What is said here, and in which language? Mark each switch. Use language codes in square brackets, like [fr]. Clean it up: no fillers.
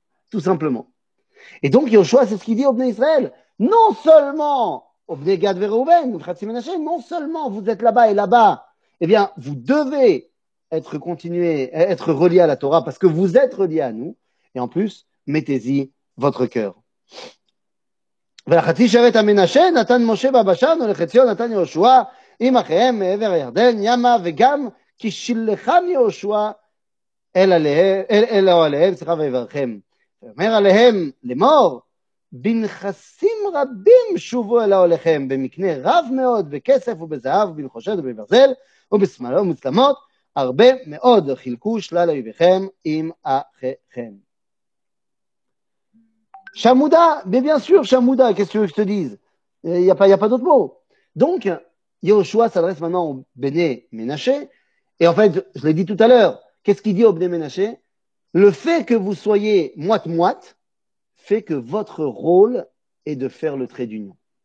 [fr] Tout simplement. Et donc, Yoshua, c'est ce qu'il dit au Bnei Israël. Non seulement, au Bnei Gad et Reuven, non seulement vous êtes là-bas et là-bas, eh bien, vous devez être relié à la Torah parce que vous êtes relié à nous. Et en plus, mettez-y votre cœur. [he] ולחצי שרת המנשה נתן משה בבשן ולחציו נתן יהושע עם אחיהם מעבר הירדן ימה וגם כי שילחם יהושע אל עליהם ויברכם ואומר עליהם למור בנכסים רבים שובו אל עליכם במקנה רב מאוד בכסף ובזהב ובנחושת ובברזל ובשמלות ומצלמות הרבה מאוד חילקו שלל אויביכם עם אחיכם. [fr] Chamouda, mais bien sûr, Chamouda, qu'est-ce que tu veux que je te dise? Il n'y a pas d'autre mot. Donc, Yehoshua s'adresse maintenant au Béné Ménaché. Et en fait, je l'ai dit tout à l'heure, qu'est-ce qu'il dit au Béné Ménaché? Le fait que vous soyez moite-moite fait que votre rôle est de faire le trait d'union.